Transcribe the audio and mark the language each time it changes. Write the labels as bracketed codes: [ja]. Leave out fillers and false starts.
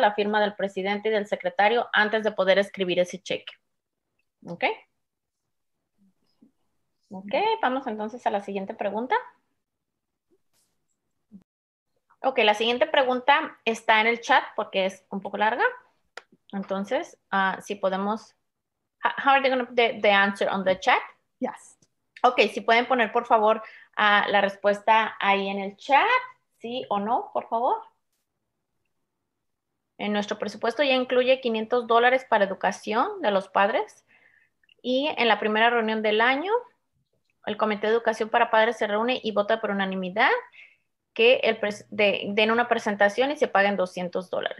[es] La firma del presidente y del secretario antes de poder escribir ese cheque. ¿Ok? Ok, vamos entonces a la siguiente pregunta. Ok, la siguiente pregunta está en el chat porque es un poco larga. Entonces, si podemos... [en] How are they going to put the answer on the chat? Yes. [es] Ok, si pueden poner, por favor, la respuesta ahí en el chat, sí o no, por favor. En nuestro presupuesto ya incluye $500 para educación de los padres. Y en la primera reunión del año, el Comité de Educación para Padres se reúne y vota por unanimidad que den una presentación y se paguen $200.